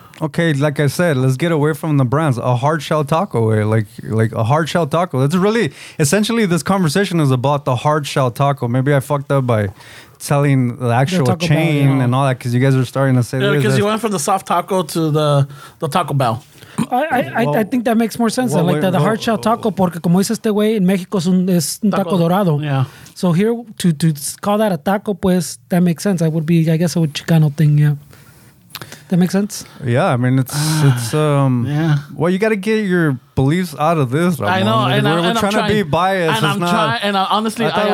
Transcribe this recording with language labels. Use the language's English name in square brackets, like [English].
[English] Okay, like I said, let's get away from the brands. A hard shell taco, like a hard shell taco. That's really... Essentially, this conversation is about the hard shell taco. Maybe I fucked up by... selling the actual chain Bell, you know, and all that, because you guys are starting to say that. Yeah, because you went from the soft taco to the Taco Bell. I think that makes more sense. Hard shell taco, [Spanish] porque como dice este güey, en México es un taco dorado. [English] Yeah. So here, to call that a taco, pues, that makes sense. That would be, I guess, a Chicano thing, yeah. That makes sense? Yeah, I mean, it's yeah. Well, you got to get your beliefs out of this, Ramon. I know, like, and we're trying to be biased. And honestly, I am trying.